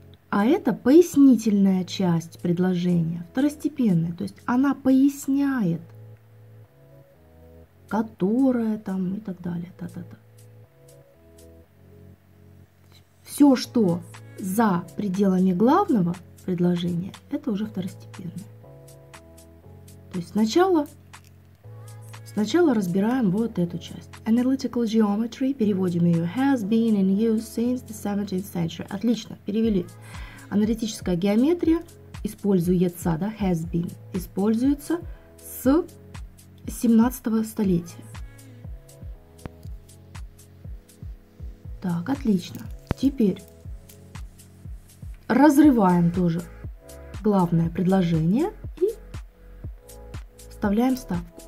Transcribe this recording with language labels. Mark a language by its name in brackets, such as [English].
[Russian] А это пояснительная часть предложения, второстепенная, то есть она поясняет, которая там и так далее, та-та-та. Все, что за пределами главного предложения, это уже второстепенное. То есть сначала разбираем вот эту часть. [English] Analytical geometry, [Russian] переводим ее. [English] Has been in use since the 17th century. [Russian] Отлично, перевели. Аналитическая геометрия используется, да, [English] has been, [Russian] используется с 17-го столетия. Так, отлично. Теперь разрываем тоже главное предложение и вставляем ставку.